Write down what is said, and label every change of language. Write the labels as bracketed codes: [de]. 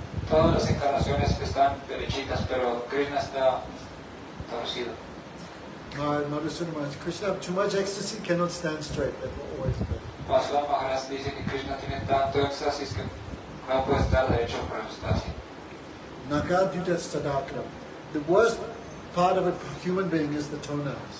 [es] Todas las encarnaciones están derechitas, pero Krishna está torcido. [en] No, no, Sudama, Krishna, too much ecstasy cannot stand straight. That will always be. [es] Vasudeva Maharaj dice que Krishna tiene tanto éxtasis que no puede estar derecho por el éxtasis. Nagar Dutta Sadakram. The worst [en] part of a human being is the toenails.